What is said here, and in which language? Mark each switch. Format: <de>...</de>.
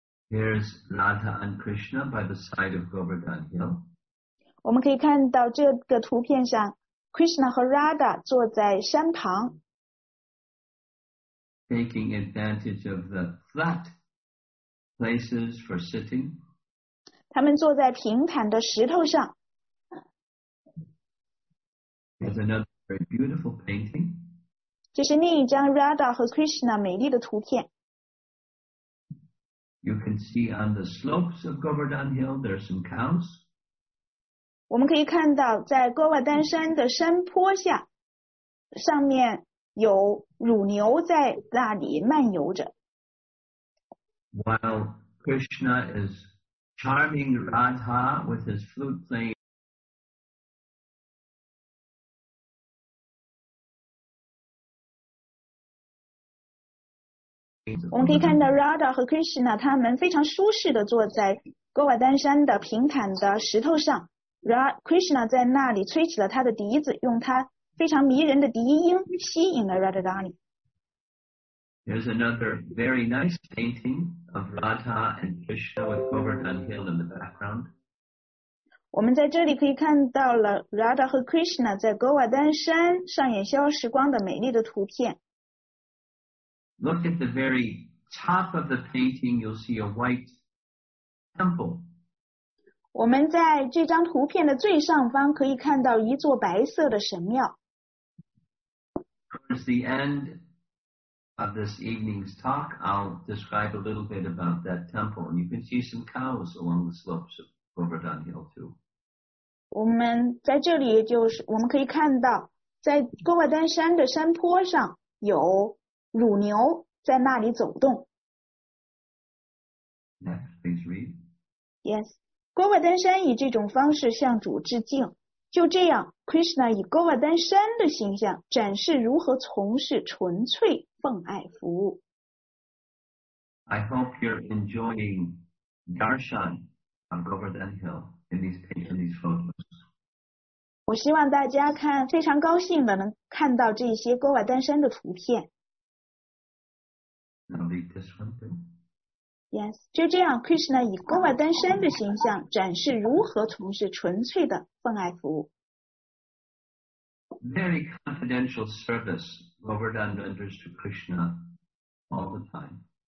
<en>Here's Radha and Krishna by the side of Govardhan Hill.</en> <zh>我们可以看到这个图片上 ，Krishna 和 Radha 坐在山旁</zh> <en>，taking advantage of the flat places for sitting.</en> <zh>他们坐在平坦的石头上。</zh> <en>There's another very beautiful painting.</en> <zh>这是另一张 Radha 和 Krishna 美丽的图片。</zh> <en>You can see on the slopes of Govardhan Hill, there are some cows.</en> <zh>我们可以看到在哥瓦丹山的山坡下，上面有乳牛在那里漫游着。</zh> <en>While Krishna is charming Radha with his flute playing, Mm-hmm.</en> <zh>我们可以看到 Radha 和 Krishna 他们非常舒适地坐在哥瓦丹山的平坦的石头上。 Krishna 在那里吹起了他的笛子，用他非常迷人的笛音吸引了 Radharani。</zh> <en>There's another very nice painting of Radha and Krishna with Govardhan Hill in the background.</en> <zh>我们在这里可以看到了 Radha 和 Krishna 在哥瓦丹山上演消时光的美丽的图片。</zh> <en>Look at the very top of the painting, you'll see a white temple.</en> <zh>我们在这张图片的最上方可以看到一座白色的神庙。</zh> <en>Towards the end of this evening's talk, I'll describe a little bit about that temple. And you can see some cows along the slopes of Govardhan Hill too.</en> <zh>我们在这里就是，我们可以看到在哥瓦丹山的山坡上有乳牛在那里走动。</zh> <en>Next, please read.</en> <zh>Yes, 哥瓦丹山以这种方式向主致敬。就这样 ，Krishna 以哥瓦丹山的形象展示如何从事纯粹奉爱服务。</zh> <en>I hope you're enjoying darshan on Govardhan Hill in these paintings, photos.</en> <zh>我希望大家看，非常高兴的能看到这些哥瓦丹山的图片。</zh> <en>I'll read this one too.</en> <zh>Yes, 就这样 ，Krishna 以哥瓦丹山的形象展示如何从事纯粹的奉爱服务。</zh> <en>Very confidential service, Govardhan renders to Krishna all the time.</en>